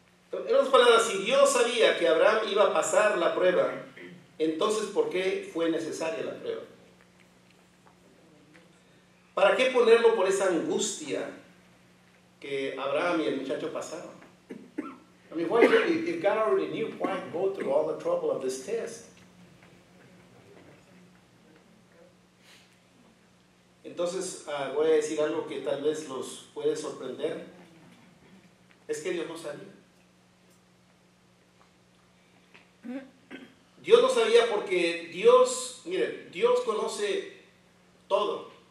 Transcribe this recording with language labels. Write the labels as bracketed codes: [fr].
[es] En otras palabras, si Dios sabía que Abraham iba a pasar la prueba, entonces ¿por qué fue necesaria la prueba? ¿Para qué ponerlo por esa angustia que Abraham y el muchacho pasaron? [en] I mean, why if God already knew, why go through all the trouble of this test? [es] Entonces, voy a decir algo que tal vez los puede sorprender. Es que Dios no sabía. Dios no sabía porque Dios, mire, Dios conoce todo.